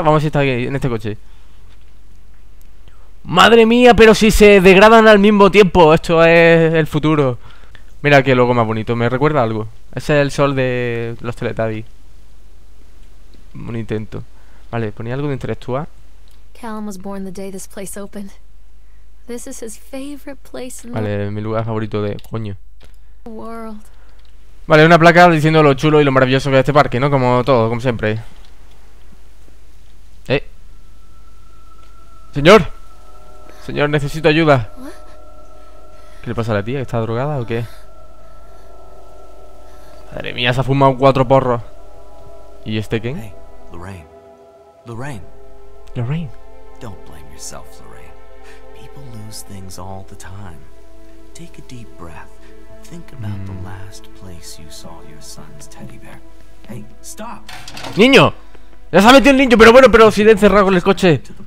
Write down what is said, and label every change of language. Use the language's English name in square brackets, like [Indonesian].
[Spanish] Vamos a ver si está aquí, en este coche. ¡Madre mía! Pero si se degradan al mismo tiempo. Esto es el futuro. Mira qué logo más bonito, me recuerda algo. Ese es el sol de los Teletubbies. Un intento. Vale, ponía algo de intelectual. [English] Callum was born the day this place opened. This is his favorite place in the... [Spanish] Vale, mi lugar favorito de... coño. World. Vale, una placa diciendo lo chulo y lo maravilloso que es este parque, ¿no? Como todo, como siempre. ¡Señor! Señor, necesito ayuda. ¿Qué le pasa a la tía? ¿Está drogada o qué? Madre mía, se ha fumado cuatro porros. ¿Y este qué? Hey, Lorraine. Lorraine. Lorraine. [English] Don't blame yourself, Lorraine. People lose things all the time. Take a deep breath. Think about the last place you saw your son's teddy bear. Hey, stop. [Spanish] Niño, ya se ha metido el niño, pero bueno, pero si le he encerrado con el coche.